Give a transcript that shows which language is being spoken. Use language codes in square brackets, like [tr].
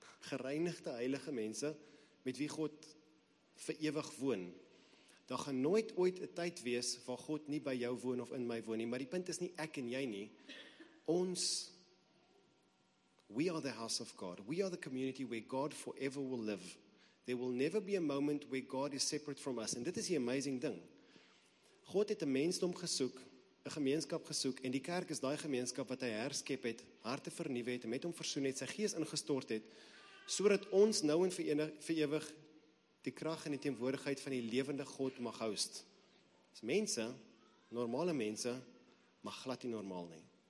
[af] Gereinigde heilige mense, met wie God vir ewig woon. Daar gaan nooit ooit 'n tyd wees, waar God nie by jou woon of in my woon nie, maar die punt is nie ek en jy nie, ons, [en] we are the house of God. We are the community where God forever will live. There will never be a moment where God is separate from us. [af] En dit is die amazing ding. God het 'n mensdom gesoek, 'n gemeenskap gesoek, en die kerk is daai gemeenskap wat hy herskep het, harte vernuwe het, met hom versoen het, sy gees ingestort het, sodat ons nou en vir ewig die krag en die teenwoordigheid van die lewende God mag host. Dis mense, normale mense, maar glad nie normaal nie.